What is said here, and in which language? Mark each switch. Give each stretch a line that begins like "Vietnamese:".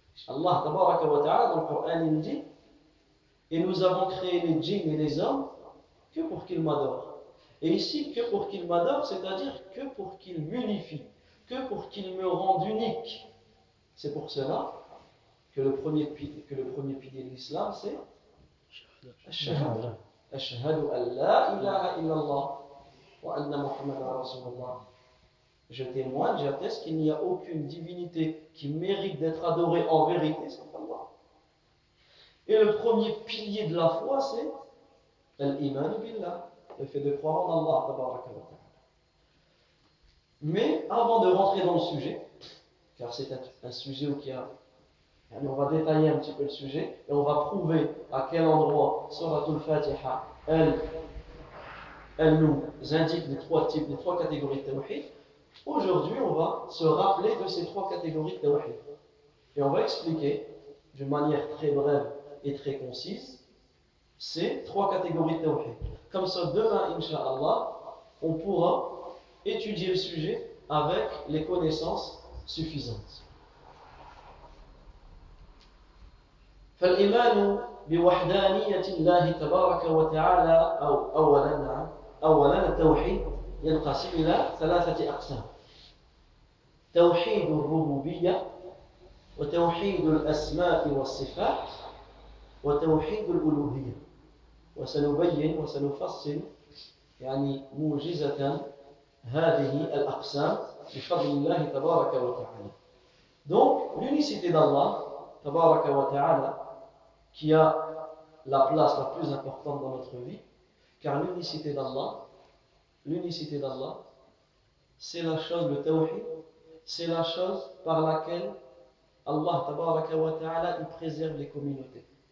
French: الله تبارك وتعالى dans le Coran il dit et nous avons créé les djinns et les hommes que pour qu'ils m'adorent. Et ici que pour qu'ils m'adorent, c'est-à-dire que pour qu'ils m'unifient, que pour qu'ils me rendent unique. C'est pour cela que le premier pilier de l'islam c'est الشهادة.
Arabic: أشهد أن لا إله إلا الله وأن محمد رسول الله.
French: Je témoigne, j'atteste qu'il n'y a aucune divinité qui mérite d'être adorée en vérité sauf Allah. Et le premier pilier de la foi c'est l'iman billah, le fait de croire en Allah tabaraka wa ta'ala. Mais avant de rentrer dans le sujet, car c'est un sujet où il y a on va détailler un petit peu le sujet et on va prouver à quel endroit Sourate Al-Fatiha elle nous indique les trois types, les trois catégories de tawhid. Aujourd'hui, on va se rappeler de ces trois catégories de tawhid et on va expliquer d'une manière très brève et très concise ces trois catégories de tawhid. Comme ça, demain, Inch'Allah, on pourra étudier le sujet avec les connaissances suffisantes.
Arabic: فالإيمان بوحدانية الله تبارك وتعالى أو أولاً التوحيد ينقسم إلى ثلاثة أقسام: توحيد الربوبية، وتوحيد الأسماء والصفات، وتوحيد الألوهية. وسنبين وسنفصل يعني موجزة هذه الأقسام بفضل الله تبارك وتعالى.
French: Donc l'unicité d'Allah تبارك وتعالى qui a la place la plus importante dans notre vie, car l'unicité d'Allah, c'est la chose, le tawhid, c'est la chose par laquelle Allah tabaraka wa ta'ala il préserve les communautés.